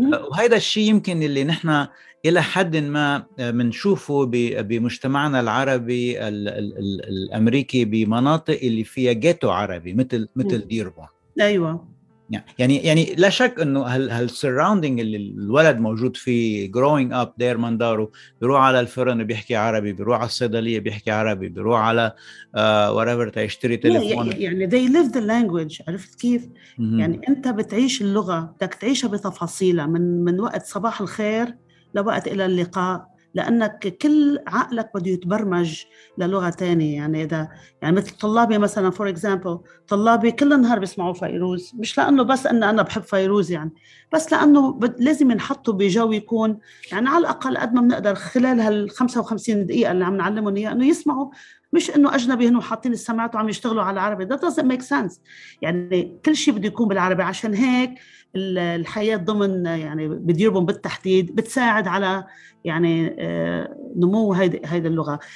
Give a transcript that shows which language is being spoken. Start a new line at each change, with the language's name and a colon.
Arabic: وهذا الشيء يمكن اللي نحن إلى حد ما منشوفه بمجتمعنا العربي الأمريكي بمناطق اللي فيها جيتو عربي مثل ديربون. أيوة يعني لا شك انه هال سراوندينج اللي الولد موجود فيه
English: growing up there
Arabic: مندارو, بيروح على الفرن بيحكي عربي, بيروح على الصيدليه بيحكي عربي, بيروح على وريفر تشتري تليفون,
English: يعني they live the language.
Arabic: عرفت كيف؟ يعني انت بتعيش اللغه, بدك تعيشها بتفاصيلها من وقت صباح الخير لوقت الى اللقاء, لانك كل عقلك بده يتبرمج للغه تانية. يعني اذا يعني مثل طلابي مثلا,
English: for example
Arabic: طلابي كل نهار بيسمعوا فيروز, مش لانه بس ان انا بحب فيروز يعني, بس لانه لازم نحطه بجو يكون يعني على الاقل قد ما بنقدر خلال هال 55 دقيقه اللي عم نعلمهم اياه انه يسمعوا, مش انه اجنبي هنا حاطين السماعات وعم يشتغلوا على العربي.
English: ده doesn't make sense.
Arabic: يعني كل شيء بده يكون بالعربي. عشان هيك الحياه ضمن يعني بديربهم بالتحديد بتساعد على يعني نمو هيدي اللغه.